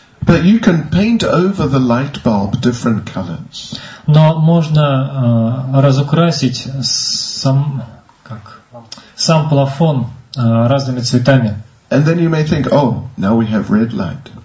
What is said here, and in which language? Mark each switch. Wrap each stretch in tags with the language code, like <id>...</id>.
<en>But you can paint over the light bulb different colors.</en> <ru>Но можно разукрасить сам плафон разными цветами.</ru> <en>And then you may think, oh, now we have red light.</en>